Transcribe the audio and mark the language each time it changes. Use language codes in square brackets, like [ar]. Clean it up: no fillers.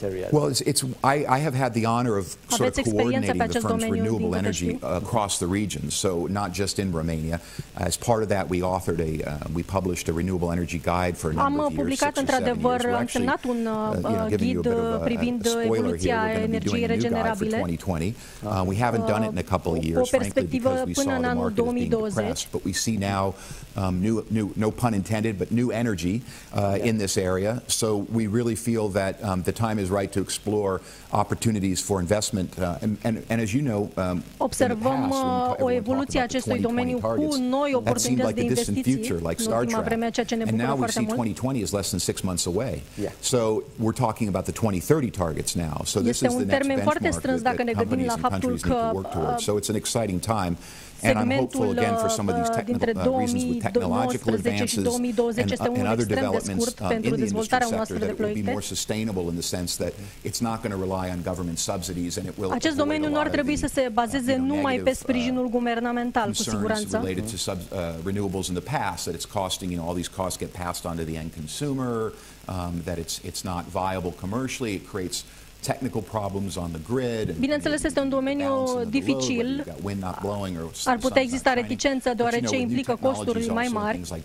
[en] Well, I have had the honor of sort of coordinating the firm's renewable energy across the region, so not just in Romania. As part of that, we authored we published a renewable energy guide for a number of years. [ro] Am publicat într-adevăr, am semnat un ghid privind evoluția energiei regenerabile. [en] We haven't done it in a couple of years, frankly, because we saw the market is being depressed, but we see now new new, no pun intended, but new energy in this area. So we really feel that the time is right to explore opportunities for investment. And as you know, [ro] observăm o evoluție acestui domeniu cu noi oportunități de investiții. [en] Like Star Trek. And now we see 2020 is less than 6 months away. So we're talking about the 2030 targets now. So this is the next benchmark [ro] strâns, [en] that companies and countries need to work towards. So it's an exciting time. And I'm hopeful again for some of these technical reasons with technological advances and other developments in the industry sector that will be more sustainable in the sense that it's not going to rely on government subsidies and it will avoid a lot of the, negative concerns related to renewables in the past, that it's costing, you know, all these costs get passed on to the end consumer, that it's not viable commercially, it creates technical problems on the grid. [ro] Bineînțeles, este un domeniu dificil. Ar putea exista reticență deoarece implică costuri mai mari.